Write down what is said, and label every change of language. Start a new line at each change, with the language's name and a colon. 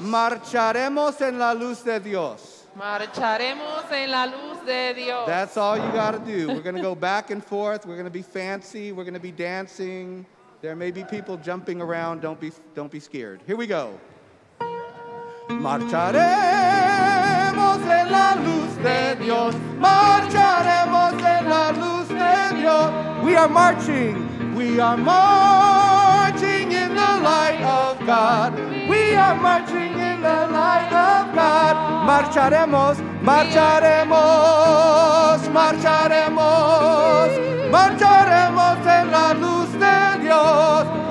Spanish: Marcharemos en la luz de Dios. Marcharemos en la luz de Dios.
English: That's all you got to do. We're going to go back and forth. We're going to be fancy. We're going to be dancing. There may be people jumping around. Don't be scared. Here we go.
Spanish: Marcharemos en la luz de Dios. Marcharemos en la luz de Dios.
English: We are marching. We are marching in the light of God. We are marching in the light of God.
Spanish: Marcharemos, marcharemos, marcharemos, marcharemos en la luz de Dios.